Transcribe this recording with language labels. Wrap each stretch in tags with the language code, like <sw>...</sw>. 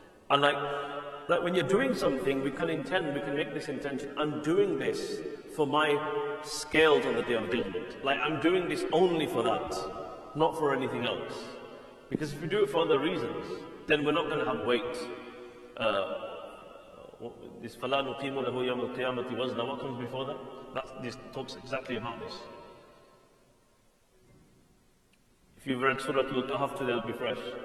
<en>And like when you're doing something, we can make this intention. I'm doing this for my scales on the Day of Judgment. Like, I'm doing this only for that, not for anything else. Because if we do it for other reasons, then we're not going to have weight.</en> <ar>This فَلَا نُقِيمُ لَهُ يَوْمَ الْقِيَامَةِ وَزْنَ.</ar> <en>What comes before that? This talks exactly about this. If you've read Surah Al-Kahf today, it'll be fresh.</en>